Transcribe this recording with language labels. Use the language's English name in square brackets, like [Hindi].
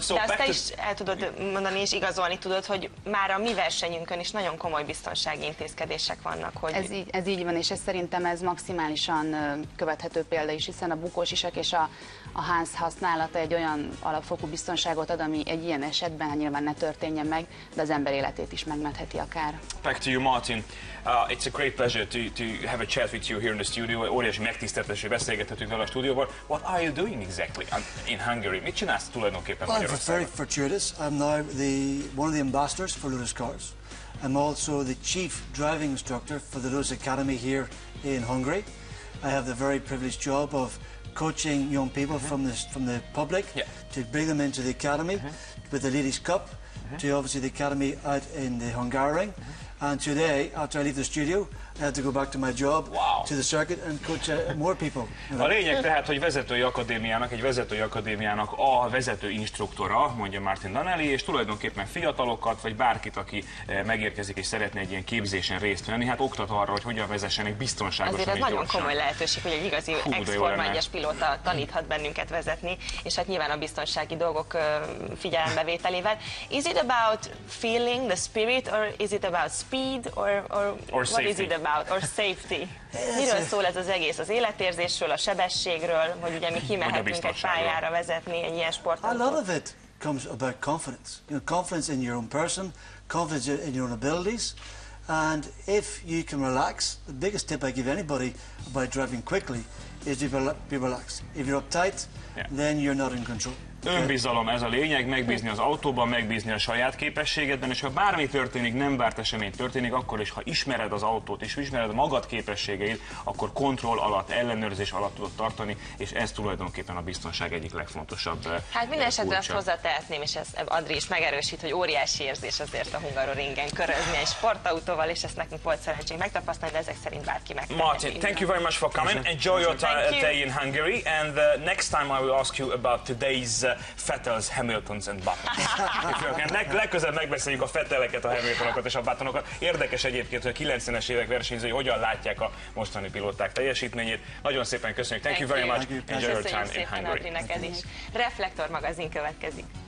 [English] So, [Hungarian] de azt te is el tudod mondani és igazolni tudod, hogy már a mi versenyünkön is nagyon komoly biztonsági intézkedések vannak. Hogy... ez így van, és ez szerintem ez maximálisan követhető példa is, hiszen a bukós isak és a ház használata egy olyan alapfokú biztonságot ad, ami egy ilyen esetben nyilván ne történjen meg, de az ember életét is megmentheti akár. [English] Back to you, Martin. It's a great pleasure to have a chat with you here in the studio. [Hungarian] Óriási megtiszteltetés, hogy beszélgethetünk vele a stúdióban. [English] What are you doing exactly in Hungary? [Hungarian] Mit csinálsz tulajdonképpen Magyarországon? [English] Well, I'm very fortuitous. I'm now one of the ambassadors for Lotus Cars. I'm also the chief driving instructor for the Lotus Academy here in Hungary. I have the very privileged job of coaching young people from the public to bring them into the academy with the Ladies' Cup to obviously the academy out in the Hungaroring. And today, after I leave the studio, I have to go back to my job to the circuit and coach more people. [Hungarian] A lényeg tehát, hogy egy vezetői akadémiának a vezető instruktora, mondja Martin Donnelly, és tulajdonképpen fiatalokat, vagy bárkit, aki megérkezik és szeretne egy ilyen képzésen részt venni, hát oktat arra, hogy hogyan vezessenek biztonságosan. Azért ez nagyon komoly lehetőség, hogy egy igazi ex-Forma 1-es pilóta taníthat bennünket vezetni, és hát nyilván a biztonsági dolgok figyelembevételével. [English] Is it about feeling, the spirit, or is it about speed, or what is it about, or safety? [Hungarian] Miről szól ez az egész? Az életérzésről, a sebességről, hogy ugye mi kimehetünk egy pályára vezetni egy ilyen sportot? [English] A lot of it comes about confidence. You know, confidence in your own person, confidence in your own abilities, and if you can relax, the biggest tip I give anybody about driving quickly is to be relaxed. If you're uptight, then you're not in control. [Hungarian] Önbizalom, ez a lényeg, megbízni az autóban, megbízni a saját képességedben, és ha bármi történik, nem várt esemény történik, akkor is, ha ismered az autót és ismered magad képességeit, akkor kontroll alatt, ellenőrzés alatt tudod tartani, és ez tulajdonképpen a biztonság egyik legfontosabb. Hát minden esetre azt hozzátehetném, és ez Adri is megerősít, hogy óriási érzés azért a Hungaroringen körözni egy sportautóval, és ezt nekünk volt szerencsénk megtapasztalni, de ezek szerint bárki meg. [English] Martin, thank you very much for coming. Enjoy your day in Hungary, and next time I will ask you about today's Vettels, Hamiltons and Buttons. [Hungarian] Legközelebb megbeszéljük a Vetteleket, a Hamiltonokat és a Buttonokat. Érdekes egyébként, hogy a 90-es évek versenyzői hogyan látják a mostani pilóták teljesítményét. Nagyon szépen köszönjük. [English] Thank you very much. Enjoy your time in Hungary. [Hungarian] Reflektor magazin következik.